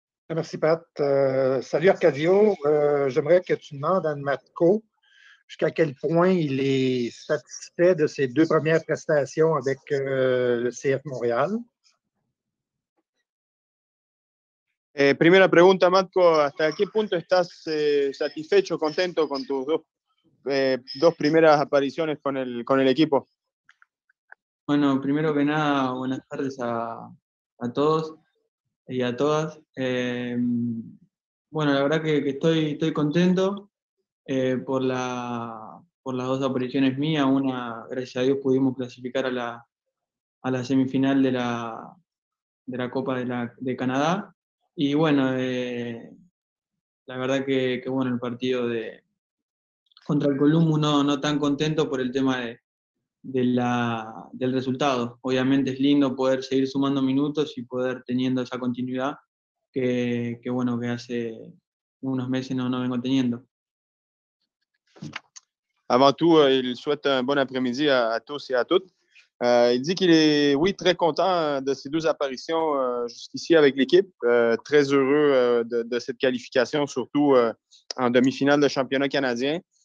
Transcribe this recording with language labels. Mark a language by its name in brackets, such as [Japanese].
[French] Merci, Pat. Salut, Arcadio. J'aimerais que tu demandes à Matko jusqu'à quel point il est satisfait de ses deux premières prestations avec le CF Montréal. [Spanish] Primera pregunta, Matko. ¿Hasta qué punto estás satisfecho, contento con tus dos primeras apariciones con el equipo? Bueno, primero que nada, buenas tardes a todos y a todas. Bueno, la verdad que estoy contento por las dos apariciones mías. Una, gracias a Dios, pudimos clasificar a la semifinal de la Copa de Canadá. Y bueno, la verdad que bueno, el partido de contra el Columbus no tan contento por el tema del resultado. Obviamente es lindo poder seguir sumando minutos y poder teniendo esa continuidad que bueno, que hace unos meses no vengo teniendo. [French] Avant tout, il souhaite un bon après-midi à tous et à toutes. Il dit qu'il est, oui, très content de ses deux apparitions jusqu'ici avec l'équipe. Très heureux de cette qualification, surtout en demi-finale de championnat canadien.